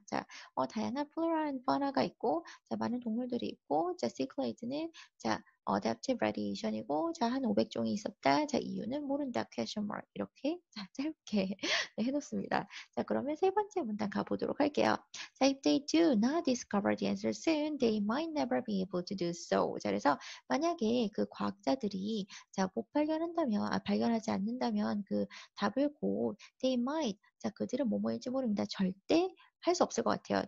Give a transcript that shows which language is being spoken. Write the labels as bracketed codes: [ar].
[ko] 자 다양한 플로라 앤 파우나가 있고 자 많은 동물들이 있고 자 시클레이드는 자 adaptive radiation이고 자한 500종이 있었다. 자 이유는 모른다. [en] question mark [ko] 이렇게 자 짧게 해놓습니다. 자 그러면 세 번째 문단 가보도록 할게요. [en] 자, if they do not discover the answer soon, they might never be able to do so. [ko] 자 그래서 만약에 그 과학자들이 자못 발견한다면 발견하지 않는다면 그 답을 곧 [en] they might [ko] 자 그들은 뭐뭐일지 모릅니다. 절대 할수 없을 것 같아요.